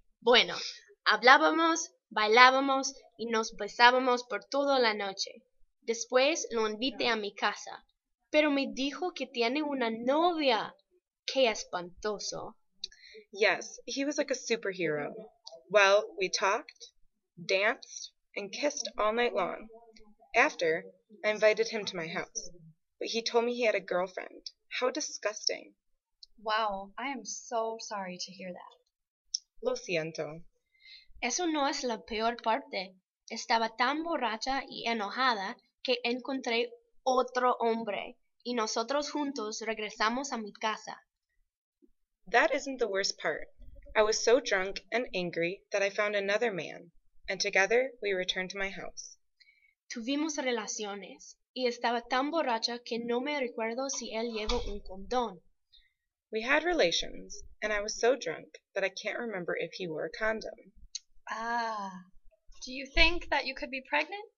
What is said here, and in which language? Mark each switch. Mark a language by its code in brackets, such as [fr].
[es] Bueno, hablábamos, bailábamos, y nos besábamos por toda la noche. Después lo invité a mi casa, pero me dijo que tiene una novia. ¡Qué espantoso! [en] Yes, he was like a superhero. Well, we talked, danced, and kissed all night long. After, I invited him to my house. But he told me he had a girlfriend. How disgusting. Wow, I am so sorry to hear that. [es] Lo siento. Eso no es la peor parte. Estaba tan borracha y enojada que encontré otro hombre, y nosotros juntos regresamos a mi casa. [en] That isn't the worst part. I was so drunk and angry that I found another man, and together we returned to my house. [es] Tuvimos relaciones, y estaba tan borracha que no me recuerdo si él llevó un condón. [en] We had relations, and I was so drunk that I can't remember if he wore a condom. Ah, do you think that you could be pregnant?